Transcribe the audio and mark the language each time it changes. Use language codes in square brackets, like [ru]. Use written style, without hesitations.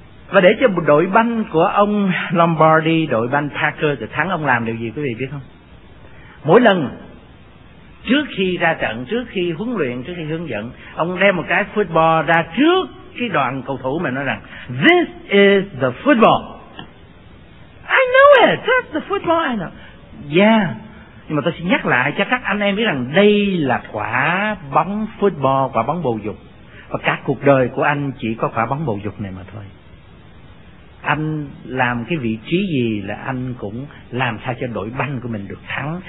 [vi] Và để cho đội banh của ông Lombardi, đội banh Packers được thắng, ông làm điều gì quý vị biết không? Mỗi lần trước khi ra trận, trước khi huấn luyện, trước khi hướng dẫn, ông đem một cái football ra trước cái đoàn cầu thủ mà nói rằng [en] "This is the football. I know it, that's the football I know." [vi] Yeah, nhưng mà tôi sẽ nhắc lại cho các anh em biết rằng đây là quả bóng football, quả bóng bầu dục. Và cả cuộc đời của anh chỉ có quả bóng bầu dục này mà thôi. Anh làm cái vị trí gì là anh cũng làm sao cho đội banh của mình được thắng.